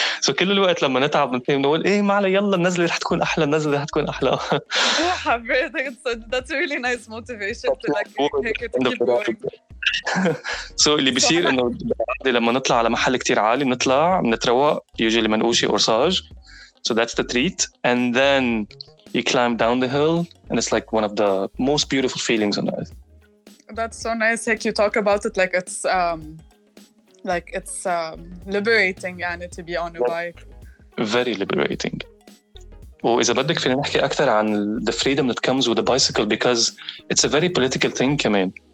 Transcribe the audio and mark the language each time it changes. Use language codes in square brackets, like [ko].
[ar] So كل الوقت لما نتعب نقول إيه ما علي يلا النزلة رح تكون أحلى النزلة رح تكون أحلى. حبيت [en] that's really nice motivation to like to keep going. [ar] So اللي بيصير إنه لما نطلع على محل كتير عالي نطلع نتروق يجي لما نقوشي أرساج. [en] So that's the treat and then you climb down the hill and it's like one of the most beautiful feelings on earth. That's so nice. Like you talk about it like it's liberating يعني to be on a bike. Very liberating. [ar] وإذا بدك فينا نحكي أكثر عن [en] the freedom that comes with a bicycle because it's a very political thing كمان.